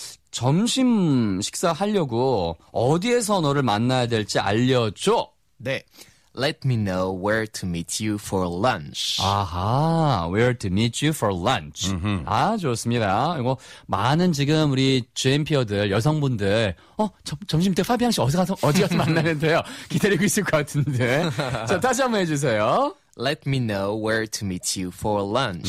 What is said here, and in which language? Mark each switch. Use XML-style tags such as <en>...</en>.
<ko>점심 식사 하려고 어디에서 너를 만나야 될지 알려줘. 네.</ko> <en>Let me know where to meet you for lunch. 아하, where to meet you for lunch. Mm-hmm.</en> <ko>아, 좋습니다. 이거 많은 지금 우리 GMP어들, 여성분들, 점심 때 파비앙 씨 어디 가서 만나면 돼요? 기다리고 있을 것 같은데. 자, 다시 한번 해주세요.</ko> <en>Let me know where to meet you for lunch.</en>